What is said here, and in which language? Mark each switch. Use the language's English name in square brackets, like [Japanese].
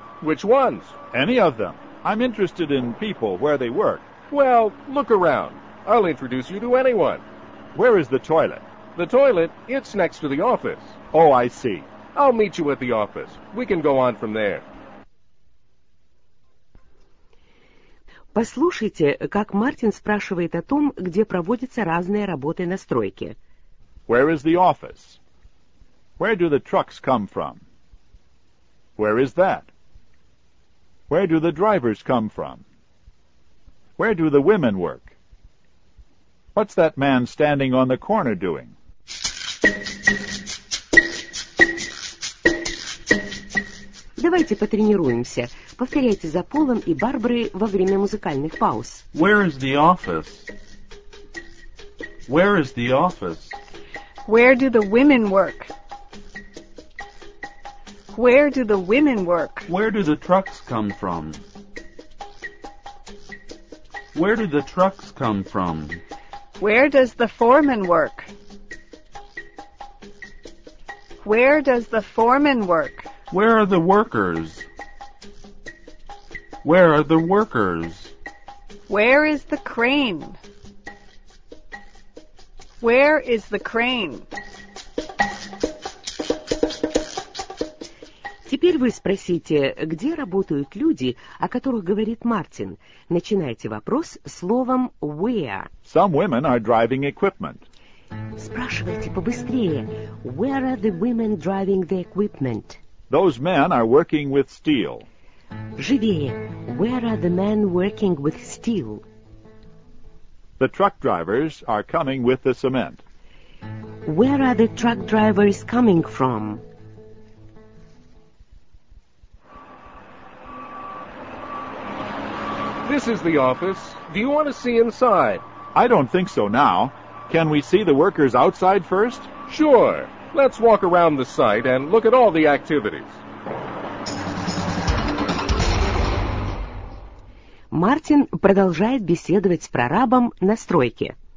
[English] Which ones? Any of them. I'm interested in people, where they work. Well, look around. I'll introduce you to anyone. Where is the toilet? The toilet? It's next to the office. Oh, I see. I'll meet you at the office. We can go on from there. [Russian] Послушайте, как Мартин спрашивает о том, где проводятся разные работы на стройке. [English] Where is the office? Where do the trucks come from? Where is that? Where do the drivers come from? Where do the women work? What's that man standing on the corner doing? [Russian] Давайте потренируемся. Повторяйте за Полом и Барбарой во время музыкальных пауз. [English] Where is the office? Where is the office? Where do the women work? Where do the women work? Where do the trucks come from? Where do the trucks come from? Where does the foreman work? Where does the foreman work? Where are the workers? Where are the workers? Where is the crane? Where is the crane? [Russian] Теперь вы спросите, где работают люди, о которых говорит Мартин. Начинайте вопрос словом where. [English] Some women are driving equipment. [Russian] Спрашивайте побыстрее. [English] Where are the women driving the equipment? Those men are working with steel. [Russian] Живее. [English] Where are the men working with steel? The truck drivers are coming with the cement. Where are the truck drivers coming from? This is the office. Do you want to see inside? I don't think so now. Can we see the workers outside first? Sure. Let's walk around the site and look at all the activities. [Russian] Мартин продолжает беседовать с прорабом на стройке.